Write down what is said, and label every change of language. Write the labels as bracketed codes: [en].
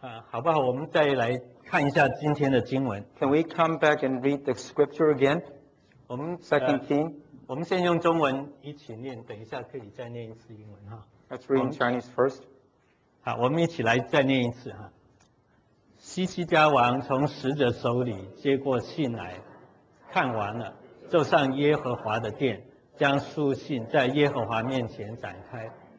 [zh] 好不好？我们再来看一下今天的经文。 [en] Can we come back and read the scripture again? [zh] 我们 [en] Second King. [zh] 我们先用中文一起念，等一下可以再念一次英文哈。 [en] Let's read in Chinese first. [zh] 好，我们一起来再念一次哈。西西家王从使者手里接过信来，看完了，就上耶和华的殿，将书信在耶和华面前展开。